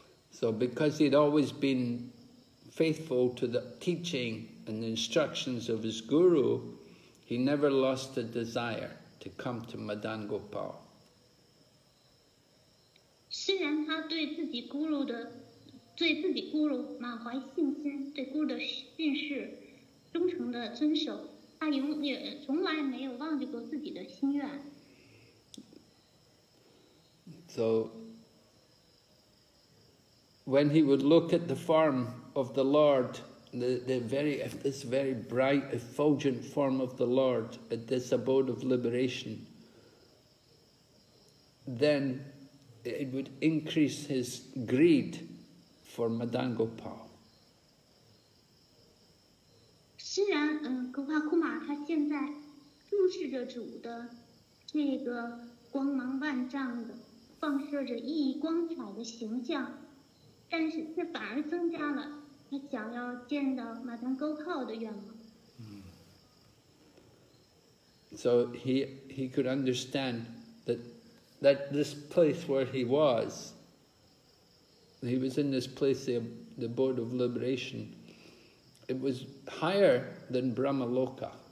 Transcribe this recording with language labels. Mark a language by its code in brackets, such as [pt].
[en] So because he'd always been faithful to the teaching and the instructions of his guru, he never lost the desire to come to Madan Gopal. [zh] 虽然他对自己咕噜的对自己咕噜满怀信心，对咕噜的信誓忠诚的遵守，他永远从来没有忘记过自己的心愿。 [en] So when he would look at the form of the Lord, this very bright effulgent form of the Lord at this abode of liberation, thenIt would increase his greed for Madan Gopal. [zh] 虽然格帕库玛他现在注视着主的这个光芒万丈的放射着熠熠光彩的形象，但是这反而增加了他想要见到 Madan Gopal 的愿望。 [en] So he could understand that this place where he was in this place, the abode of liberation, it was higher than Brahma Loka.